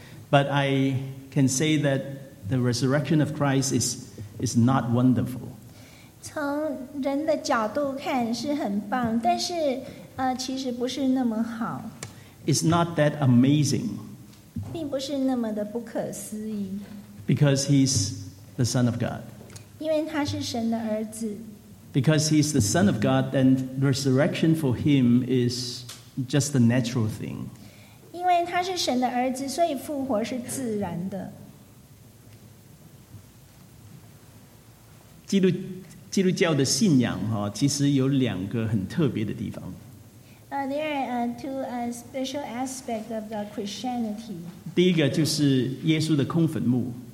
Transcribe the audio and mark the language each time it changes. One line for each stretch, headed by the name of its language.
English: But I can say that the resurrection of Christ is not wonderful.
Chinese: 从人的角度看是很棒, 但是, 其实不是那么好。
English: It's not that amazing.
Chinese: 并不是那么的不可思议。
English: Because he's the Son of God.
Chinese: 因为他是神的儿子。
English: Because he's the Son of God, then resurrection for him is just a natural thing.
Chinese: 因为他是神的儿子, 所以复活是自然的。基督教的信仰, 其实有两个很特别的地方。
English: There are two special aspects of the Christianity.
Chinese: 第一个就是耶稣的空坟墓。